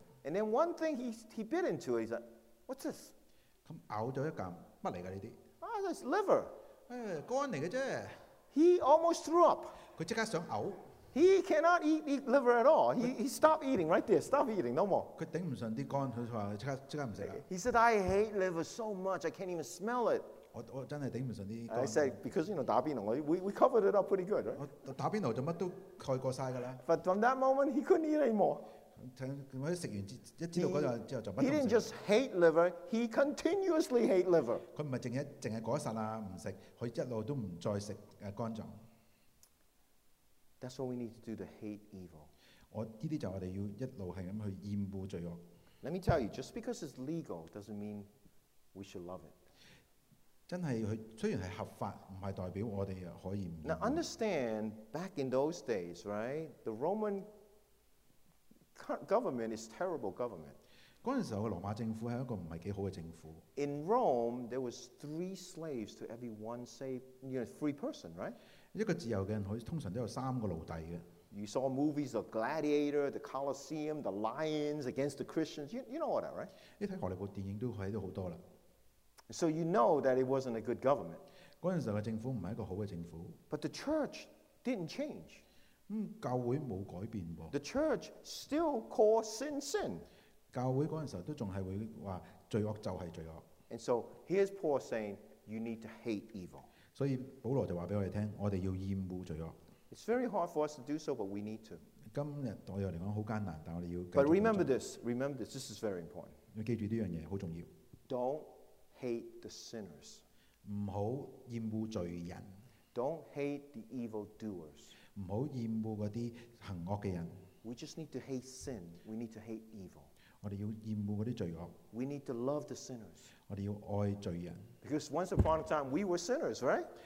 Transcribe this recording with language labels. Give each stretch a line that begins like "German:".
English: And then one thing he bit into, he said, "What's this?"
Cantonese: 咁咬咗一啖，乜嚟㗎呢啲
English: ？Ah, that's liver.
Cantonese: 肝嚟嘅啫。
English: He almost threw up.
Cantonese: 佢即刻想嘔。
English: He cannot eat liver at all. He stopped eating right there. Stop eating, no more.
Cantonese: 佢頂唔順啲肝，佢話即刻唔食啦。
English: He said, "I hate liver so much, I can't even smell it."
Cantonese: 我真係頂唔順啲肝。
English: I said, "Because you know, 打邊爐 we covered it up pretty good, right?"
Cantonese: 打邊爐就乜都蓋過曬㗎啦。
English: But from that moment, he couldn't eat anymore.
Cantonese: 咁佢食完一知道嗰陣之後就乜都食。
English: He didn't just hate liver. He continuously hate liver.
Cantonese: 佢唔係淨係嗰一剎那唔食，佢一路都唔再食肝臟。
English: That's what we need to do to hate evil.
Cantonese: 呢啲就我哋要一路係咁去厭惡罪惡。
English: Let me tell you, just because it's legal doesn't mean we should love it.
Cantonese: 真係佢雖然係合法，唔係代表我哋可以唔。
English: Now understand, back in those days, right? The Roman government is terrible government.
Cantonese: 嗰陣時候，羅馬政府係一個唔係幾好嘅政府。
English: In Rome, there was three slaves to every one saved, you know, free person, right?
Cantonese: 一個自由嘅人，佢通常都有三個奴隸嘅。
English: You saw movies of Gladiator, the Colosseum, the lions against the Christians. You know all that, right?
Cantonese: 你睇荷里活電影都喺度好多啦。
English: So you know that it wasn't a good government.
Cantonese: 嗰陣時候嘅政府唔係一個好嘅政府。
English: But the church didn't change.
Cantonese: 教會冇改變喎。
English: The church still calls sin sin.
Cantonese: 教會嗰陣時候都仲係會話罪惡就係罪惡。
English: And so here's Paul saying, you need to hate evil.
Cantonese: 所以保罗就话俾我哋听，我哋要厌恶罪恶。
English: It's very hard for us to do so, but we need to.
Cantonese: 今日对我嚟讲好艰难，但我哋要。
English: But remember this. Remember this. This is very important.
Cantonese: 要记住呢样嘢好重要。
English: Don't hate the sinners.
Cantonese: 唔好厌恶罪人。
English: Don't hate the evil doers.
Cantonese: 唔好厌恶嗰啲行恶嘅人。
English: We just need to hate sin. We need to hate evil.
Cantonese: 我哋要厌恶嗰啲罪恶。
English: We need to love the sinners.
Cantonese: 我哋要爱罪人。
English: Because once upon a time we were sinners, right?